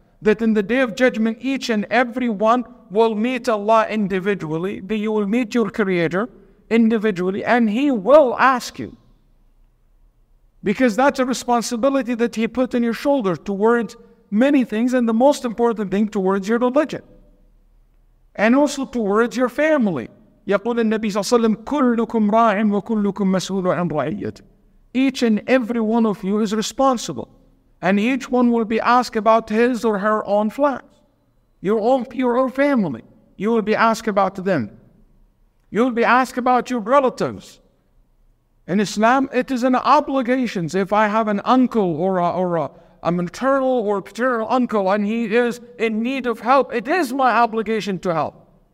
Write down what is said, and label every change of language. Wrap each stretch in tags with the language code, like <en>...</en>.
<en>That in the Day of Judgment, each and every one will meet Allah individually, that you will meet your Creator individually, and He will ask you, because that's a responsibility that He put on your shoulder towards many things, and the most important thing towards your religion. and also towards your family.</en> <ar>يقول النبي صلى الله عليه وسلم كلكم راع وكلكم مسؤول عن رعيته.</ar> <en>Each and every one of you is responsible, and each one will be asked about his or her own flock, your own family. You will be asked about them. You will be asked about your relatives. In Islam, it is an obligation. If I have an uncle or a maternal or paternal uncle and he is in need of help, it is my obligation to help.</en>